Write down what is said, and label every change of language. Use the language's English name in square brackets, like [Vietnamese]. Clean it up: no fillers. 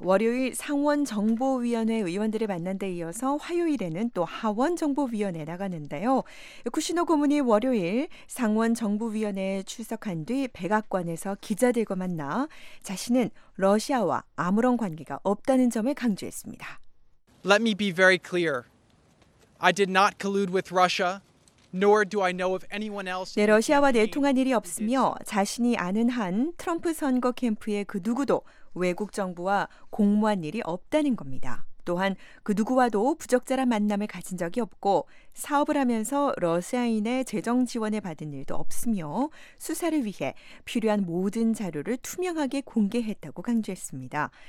[Korean] 월요일 상원 정보위원회 의원들을 만난 데 이어서 화요일에는 또 하원 정보위원회 나갔는데요. 쿠슈너 고문이 월요일 상원 정보위원회에 출석한 뒤 백악관에서 기자들과 만나 자신은 러시아와 아무런 관계가 없다는 점을 강조했습니다. [English] Let me be very clear. I did not collude with Russia, nor do I know of anyone else. [Korean] 네, 러시아와 내통한 일이 없으며 자신이 아는 한 트럼프 선거 캠프에 그 누구도 외국 정부와 공모한 일이 없다는 겁니다. 또한 그 누구와도 부적절한 만남을 가진 적이 없고 사업을 하면서 러시아인의 재정 지원을 받은 일도 없으며 수사를 위해 필요한 모든 자료를 투명하게 공개했다고 강조했습니다.